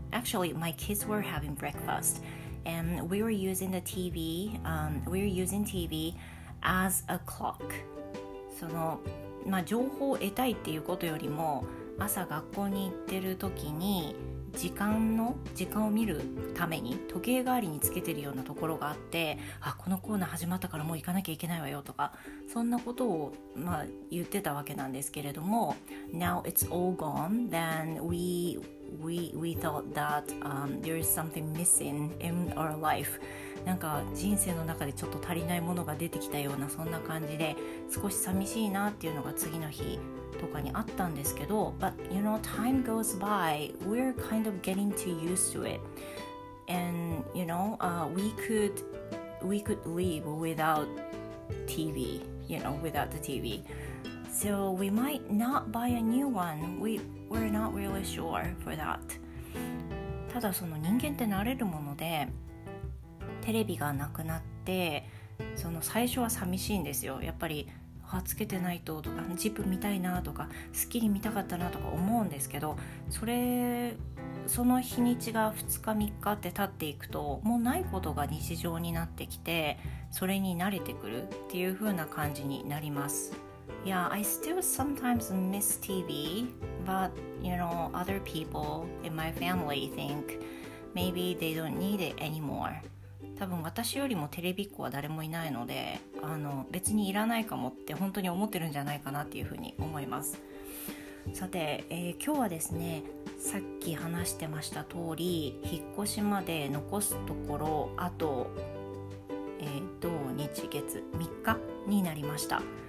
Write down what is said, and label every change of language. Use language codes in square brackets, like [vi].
[en] Actually my kids were having breakfast and we were using the TV, TV as a clock. [ja] その、まあ、情報を得たいっていうことよりも朝学校に行ってる時に時間を見るために時計代わりにつけてるようなところがあって、あ、このコーナー始まったからもう行かなきゃいけないわよとかそんなことを、まあ、言ってたわけなんですけれども [en] Now it's all gone, then we thought that there is something missing in our life. [ja] なんか人生の中でちょっと足りないものが出てきたようなそんな感じで少し寂しいなっていうのが次の日とかにあったんですけど [en] But you know, time goes by, we're kind of getting too used to it. And you know, we could live without TV, you know, without the TV. So we might not buy a new one, we're not really sure for that. [ja] ただその人間って慣れるものでテレビがなくなってその最初は寂しいんですよ。やっぱりつけてないととかジップ見たいなとかスッキリ見たかったなとか思うんですけど、それその日にちが2日3日って経っていくともうないことが日常になってきてそれに慣れてくるっていう風な感じになります。 [en] Yeah, I still sometimes miss TV, but you know, other people in my family think maybe they don't need it anymore. [ja] 多分私よりもテレビっ子は誰もいないので別にいらないかもって本当に思ってるんじゃないかなっていうふうに思います。さて、今日はですねさっき話してました通り、引っ越しまで残すところあと、土日月3日になりました。